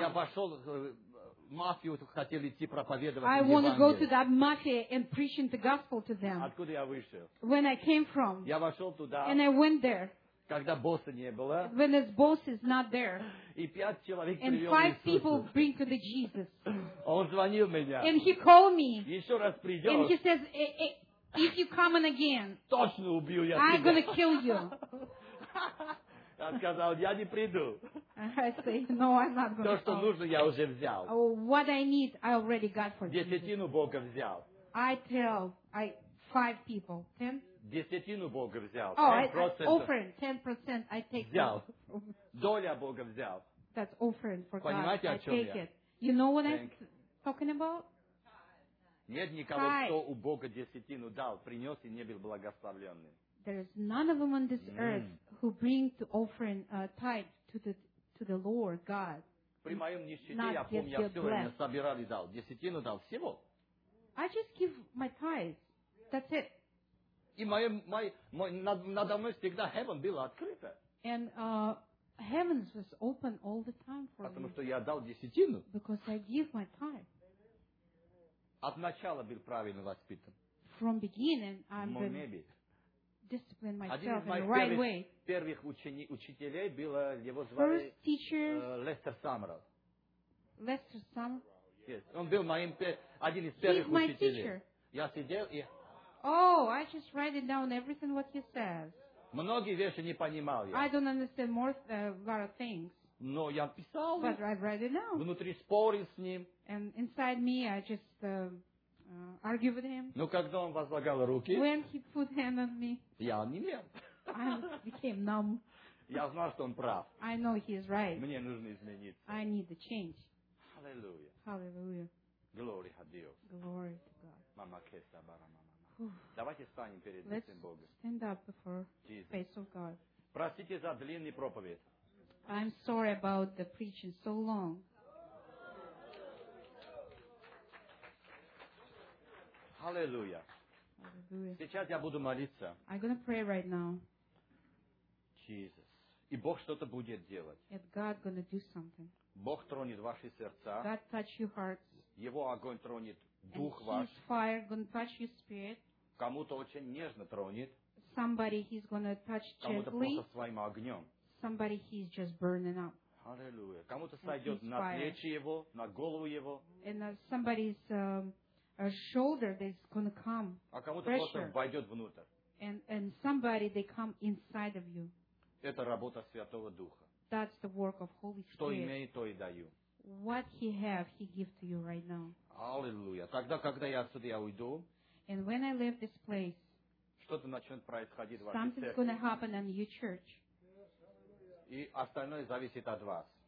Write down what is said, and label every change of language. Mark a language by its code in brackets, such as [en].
[ru] Я вошел в мафию, хотели идти проповедовать. [en] I want to go to that mafia and preaching the gospel to them. [ru] Откуда я вышел? [en] When I came from. [ru] Я вошел туда. [en] And I went there. [ru] Когда босса не было. [en] When his boss is not there. [ru] И пять человек [en] And five people bring to the Jesus. [ru] Он звонил меня. [en] And he called me. [ru] Еще раз придешь. [en] And he says, If you come in again, [ru] точно убью я тебя. [en] I'm gonna kill you. [ru] Я сказал, я не приду. [en] I say, no, I'm not gonna. [ru] То, что нужно, я уже взял. [en] What I need, I already got for you. [ru] Десятину Бога взял. [en] I tell, five people, ten. [ru] десятину Бога взял. [en] Offering, 10% I take. [ru] Взял. Доля Бога взял. [en] That's offering for God. [ru] Понимаете, о чем я? [en] You know what I'm talking about? [ru] Нет никого, кто у Бога десятину дал, принес и не был благословленным. [en] There is none of them on this earth who bring to offering tithe to the Lord God. [ru] При моем нищете, я помню, я все время собирал и дал. Десятину дал всего. [en] I just give my tithe. That's it. [ru] И надо мной всегда heaven было открыто. [en] And heavens was open all the time for me. [ru] Потому что я дал десятину. [en] Because I give my tithe. [ru] От начала был правильно воспитан. [en] From beginning, I'm been maybe. Discipline myself [ru] Один из моих [en] in right [ru] первых учителей было его звали Лестер Саммерл. Лестер Саммерл? [en] Yes. [ru] Он был моим один из первых учителей. Я сидел и... [en] Oh, I just write it down everything what he says. [ru] Многие вещи не понимал я. [en] I don't understand more a lot of things. [ru] Но я писал. [en] But I write it down. [ru] Внутри спорил с ним. [en] And inside me, I just argue with him. [ru] Но когда он возлагал руки, [en] when he put hand on me, [ru] я онемел. [en] I became numb. [ru] Я знал, что он прав. [en] I know he is right. [ru] Мне нужно измениться. [en] I need a change. Hallelujah. Hallelujah. Glory to God. Glory to God. [ru] Mama kesa bara mama. Давайте встанем перед [en] Let's [ru] лицем Бога. [en] Stand up before Jesus. Face of God. [ru] Простите за длинный проповедь. [en] I'm sorry about the preaching so long. [ru] Аллилуйя. Сейчас я буду молиться. [en] I'm going to pray right now. Jesus. [ru] И Бог что-то будет делать. [en] And God going to do something. [ru] Бог тронет ваши сердца. [en] God touch your hearts. [ru] Его огонь тронет дух ваш. [en] And his fire going to touch your spirit. [ru] Кому-то очень нежно тронет. [en] Somebody he's going to touch gently. [ru] Кому-то просто своим огнем. [en] Somebody he's just burning up. [ru] Аллилуйя. Кому-то сойдет на плечи его, на голову его. [en] And somebody's a shoulder that's going to come. [ru] А кому-то просто войдет внутрь. [en] And somebody, they come inside of you. [ru] Это работа Святого Духа. [en] That's the work of Holy Spirit. [ru] Что имею, то и даю. [en] What he have, he give to you right now. [ru] Аллилуйя. Тогда, когда я отсюда я уйду, [en] and when I leave this place, [ru] что-то начнет происходить в вашей церкви. [en] Something's going to happen in your church. [ru] И остальное зависит от вас.